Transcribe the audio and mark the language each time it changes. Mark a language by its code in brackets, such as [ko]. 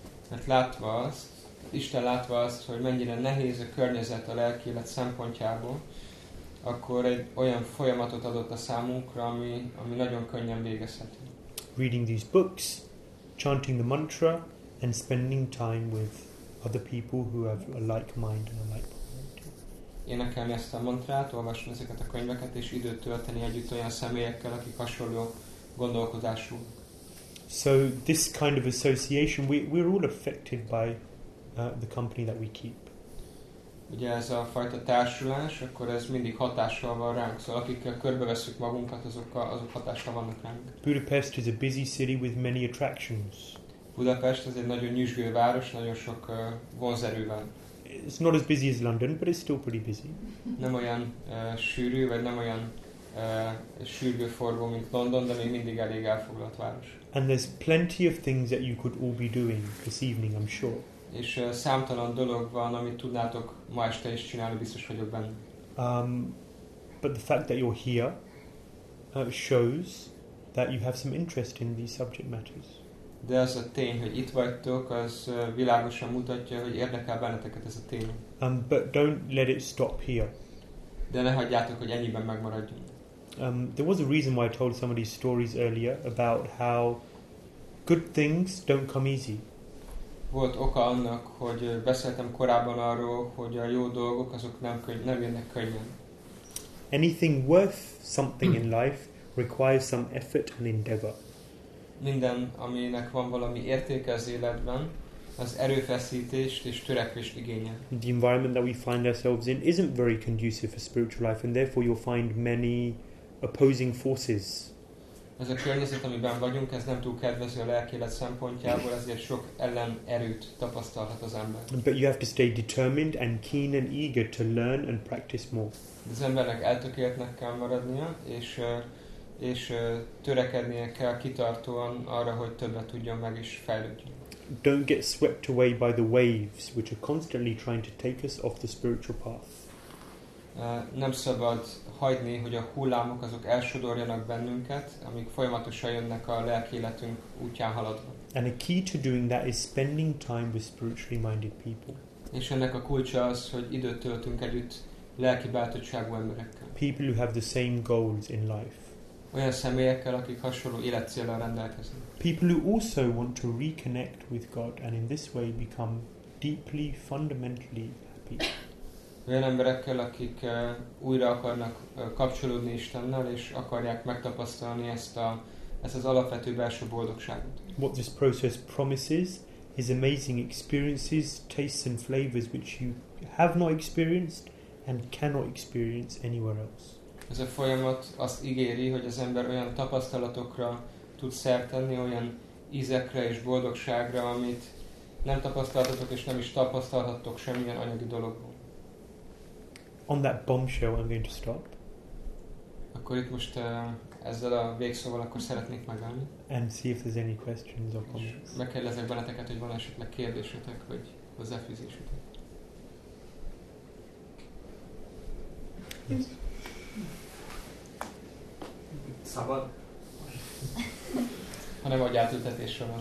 [hu] Mert látva azt, Isten látva azt, hogy mennyire nehéz a környezet a lelki élet szempontjából, akkor egy olyan folyamatot adott a számunkra, ami nagyon könnyen végezhető. [en] Reading these books, chanting the mantra, and spending time with other people who have a like mind and a like priority. [hu] Énekelni ezt a mantrát, olvasni ezeket a könyveket, és időt tölteni együtt olyan személyekkel, akik hasonló gondolkodású. [en] So this kind of association, we're all affected by the company that we keep. [hu] Ugye ez a fajta társulás, akkor ez mindig hatással van ránk. Szóval akikkel körbeveszünk magunkat, azok hatással vannak ránk. [en] Budapest is a busy city with many attractions. [hu] Budapest az egy nagyon nyüzsgő város, nagyon sok vonzerű van. [en] It's not as busy as London, but it's still pretty busy. [hu] Nem olyan sűrű, vagy nem olyan sűrgő forgó, mint London, de még mindig elég elfoglalt város. [en] And there's plenty of things that you could all be doing this evening, I'm sure. [hu] És számtalan dolog van, amit tudnátok ma este is csinálni, biztos vagyok benne. [en] But the fact that you're here shows that you have some interest in these subject matters. [hu] De az a tény, hogy itt vagytok, az világosan mutatja, hogy érdekel benneteket ez a téma. [en] But don't let it stop here. [hu] De ne hagyjátok, hogy ennyiben megmaradjunk. [en] There was a reason why I told some of these stories earlier about how good things don't come easy. [hu] Volt oka annak, hogy beszéltem korábban arról, hogy a jó dolgok azok nem jönnek könnyen. [en] Anything worth something in life requires some effort and endeavor. [hu] Minden, aminek van valami értéke az életben, az erőfeszítést és törekvést igényel. [en] The environment that we find ourselves in isn't very conducive for spiritual life, and therefore you'll find many opposing forces. [hu] Ez a környezet, amiben vagyunk, ez nem túl kedvező a lelki élet szempontjából, ezért sok ellen erőt tapasztalhat az ember. [en] But you have to stay determined and keen and eager to learn and practice more. [hu] De az embernek eltökéltnek kell maradnia, és törekednie kell kitartóan arra, hogy többet tudjon meg és fejlődjön. [en] Don't get swept away by the waves, which are constantly trying to take us off the spiritual path. [hu] Nem szabad hagyni, hogy a hullámok azok elsodorjanak bennünket, amik folyamatosan jönnek a lelki életünk útján haladva. [en] And a key to doing that is spending time with spiritually minded people. [hu] És ennek a kulcsa az, hogy időt töltünk együtt lelki beállítottságú emberekkel. [en] People who have the same goals in life. [hu] Olyan személyekkel, akik hasonló életcéllel rendelkeznek. [en] People who also want to reconnect with God and in this way become deeply, fundamentally happy. [hu] Olyan emberekkel, akik újra akarnak kapcsolódni Istennel, és akarják megtapasztalni ezt az alapvető belső boldogságot. [en] What this process promises is amazing experiences, tastes and flavors which you have not experienced and cannot experience anywhere else. [hu] Ez a folyamat azt ígéri, hogy az ember olyan tapasztalatokra tud szert tenni, olyan ízekre és boldogságra, amit nem tapasztaltatok és nem is tapasztalhattok semmilyen anyagi dologból. [en] On that bombshell, I'm going to stop. [hu] Akkor itt most ezzel a végszóval akkor szeretnék megállni. [en] And see if there's any questions or comments. [hu] Megkérdezek benneteket, hogy van esetleg kérdésetek, vagy hozzáfűzésetek. [en] Yes. [hu] Szabad? Ha nem adj átültetésre, van